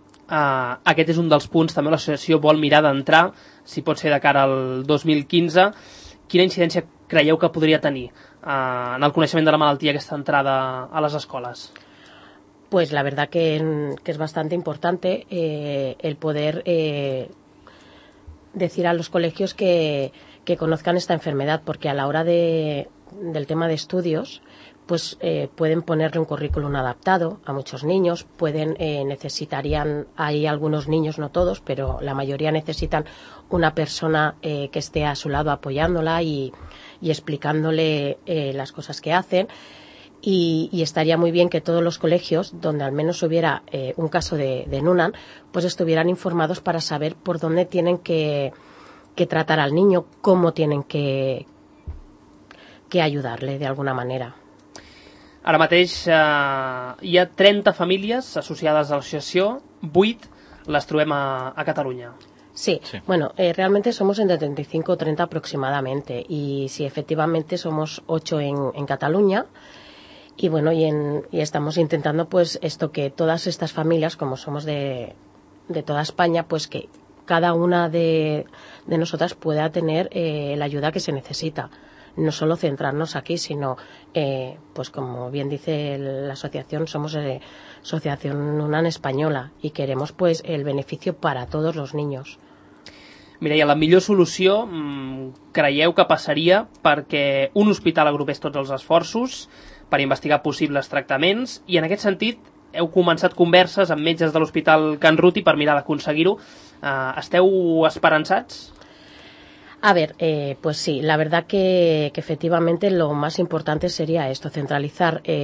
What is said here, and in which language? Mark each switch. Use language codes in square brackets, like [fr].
[ca] Aquest és un dels punts, també l'associació vol mirar d'entrar, si pot ser de cara al 2015. Quina incidència creieu que podria tenir en el coneixement de la malaltia aquesta entrada a les escoles? [es] Pues la verdad que es bastante importante el poder decir a los colegios que conozcan esta enfermedad, porque a la hora del tema de estudios, pues pueden ponerle un currículum adaptado a muchos niños, necesitarían, hay algunos niños, no todos, pero la mayoría necesitan una persona que esté a su lado apoyándola y explicándole las cosas que hacen. Y estaría muy bien que todos los colegios, donde al menos hubiera un caso de Nunan, pues estuvieran informados para saber por dónde tienen que tratar al niño, cómo tienen que ayudarle de alguna manera. [ca] Ara mateix hi ha 30 famílies associades a l'associació, 8 les trobem a Catalunya. [es] Sí. Bueno, realmente somos entre 35 o 30 aproximadamente, y sí, efectivamente somos 8 en Cataluña. Y bueno, y estamos intentando, pues, esto, que todas estas familias, como somos de toda España, pues que cada una de nosotras pueda tener la ayuda que se necesita. No solo centrarnos aquí, sino, pues como bien dice la asociación, somos Asociación UNAN Española y queremos, pues, el beneficio para todos los niños. [ca] Mireia, la millor solució creieu que passaria perquè un hospital agrupés tots els esforços per investigar possibles tractaments, i en aquest sentit heu començat converses amb metges de l'Hospital Can Ruti per mirar d'aconseguir-ho. Esteu esperançats? [es] A ver, pues sí, la verdad que efectivamente lo más importante sería esto, centralizar